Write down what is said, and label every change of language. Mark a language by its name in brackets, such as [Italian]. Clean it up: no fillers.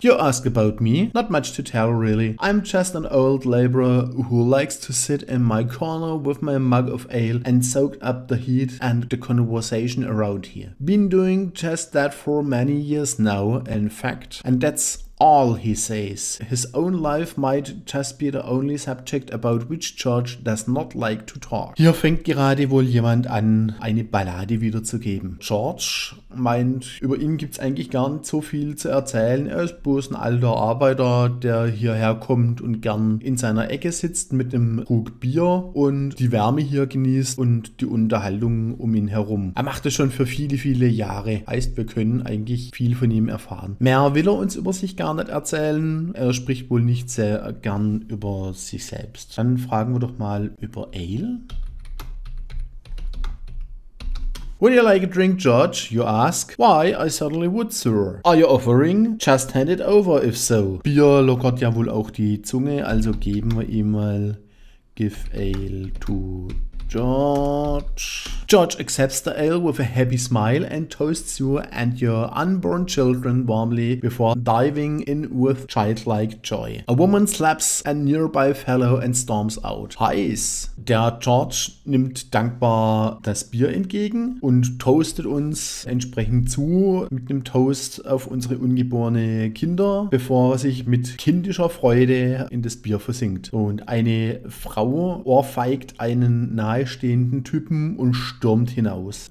[English] You ask about me? Not much to tell, really. I'm just an old laborer who likes to sit in my corner with my mug of ale and soak up the heat and the conversation around here. Been doing just that for many years now, in fact, and that's all he says. His own life might just be the only subject about which George does not like to talk. [German] Hier fängt gerade wohl jemand an, eine Ballade wiederzugeben. George meint, über ihn gibt's eigentlich gar nicht so viel zu erzählen. Er ist bloß ein alter Arbeiter, der hierher kommt und gern in seiner Ecke sitzt mit einem Krug Bier und die Wärme hier genießt und die Unterhaltung um ihn herum. Er macht es schon für viele, viele Jahre. Heißt, wir können eigentlich viel von ihm erfahren. Mehr will er uns über sich gar nicht erzählen. Er spricht wohl nicht sehr gern über sich selbst. Dann fragen wir doch mal über Ale. [English] Would you like a drink, George? You ask. Why, I certainly would, sir. Are you offering? Just hand it over, if so. [German] Bier lockert ja wohl auch die Zunge, also geben wir ihm mal [English] Give Ale to George. George accepts the ale with a happy smile and toasts you and your unborn children warmly before diving in with childlike joy. A woman slaps a nearby fellow and storms out. [German] Heiß! Der George nimmt dankbar das Bier entgegen und toastet uns entsprechend zu mit einem Toast auf unsere ungeborene Kinder, bevor er sich mit kindischer Freude in das Bier versinkt. Und eine Frau ohrfeigt einen nahe stehenden Typen und stürmt hinaus.